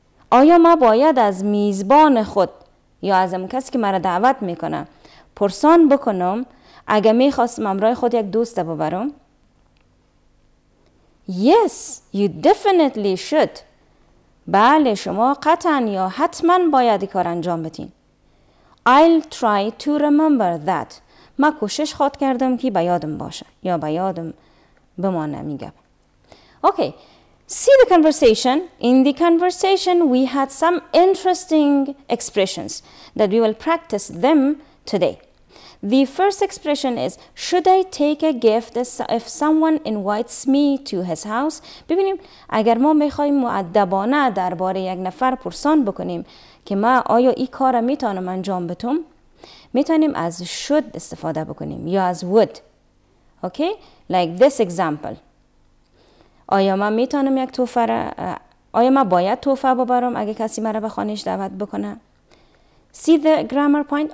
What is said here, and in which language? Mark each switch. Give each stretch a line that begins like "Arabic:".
Persian: آیا ما باید از میزبان خود یا از اون کسی که مرا دعوت میکنه پرسان بکنم اگه میخواستم امرای خود یک دوست ببرم؟
English: Yes, you definitely should.
Persian: بله شما قطعا یا حتما باید کار انجام بدین.
English: I'll try to remember that.
Persian: ما کوشش خواد کردم که به یادم باشه یا به یادم بمانه میگم.
English: Okay, see the conversation. In the conversation, we had some interesting expressions that we will practice them today. The first expression is, should I take a gift if someone invites me to his house?
Persian: ببینیم اگر ما میخواییم مؤدبانه درباره یک نفر پرسان بکنیم که ما آیا این کار میتونم انجام بتم؟ میتونیم از should استفاده بکنیم یا از would.
English: Okay? Like this example.
Persian: آیا ما میتونم یک توفر؟ آیا ما باید توفر ببرم اگر کسی مرا به خانش دعوت بکنه؟
English: See the grammar point.